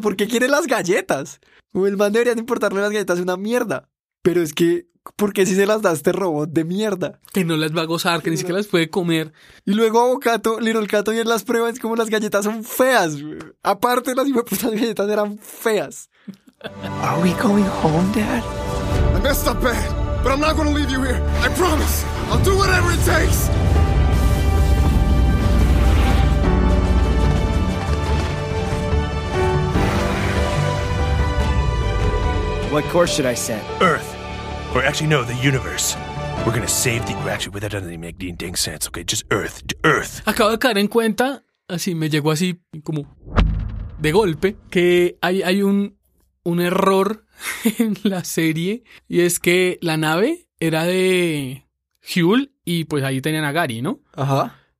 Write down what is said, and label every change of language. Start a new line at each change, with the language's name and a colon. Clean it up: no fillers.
Spanish: ¿Por qué quiere las galletas? Como el man debería de importarle las galletas, es una mierda. Pero es que, ¿por qué si se las da este robot de mierda? Que no las va a gozar, que ni siquiera las puede comer. Y luego Avocato, Little Cato, y en las pruebas, como las galletas son feas. Aparte, las hijueputas galletas eran feas.
English: Are we going home, Dad? I messed up bad, but I'm not going to leave you here. I promise. I'll do whatever it takes. What course should I set? Earth. Or actually, no, the universe. We're going to save the... Actually, well, that doesn't make any dang sense, okay? Just Earth. Earth.
Spanish: Acabo de caer en cuenta, así me llegó así como de golpe, que hay un error en la serie, y es que la nave era de Huel y pues ahí tenían a Gary, ¿no? Ajá.